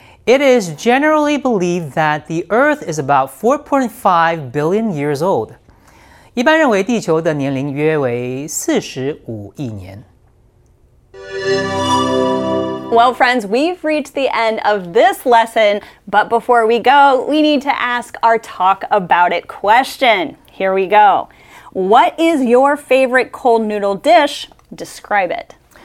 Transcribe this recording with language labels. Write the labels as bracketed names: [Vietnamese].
[English] It is generally believed that the Earth is about 4.5 billion years old. [Chinese] 一般认为地球的年龄约为45亿年。 [English] Well, friends, we've reached the end of this lesson, but before we go, we need to ask our talk about it question. Here we go. What is your favorite cold noodle dish? Describe it.